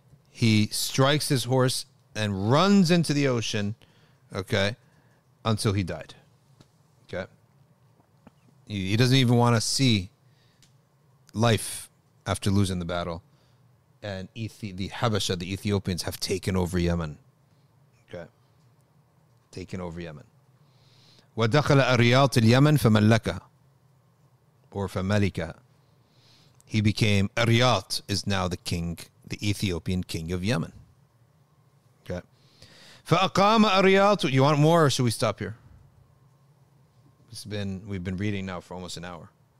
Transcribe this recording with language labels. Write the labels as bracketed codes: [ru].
[en] He strikes his horse and runs into the ocean, okay, until he died. Okay. He doesn't even want to see life after losing the battle. And the Habasha, the Ethiopians, have taken over Yemen. Okay. Taken over Yemen. [ar] ودخل أرياط اليمن فملكها or فملكها. [en] He became, Ariat is now the king, the Ethiopian king of Yemen. Okay. [ar] فأقام أرياط. [en] You want more or should we stop here? It's been, we've been reading now for almost an hour.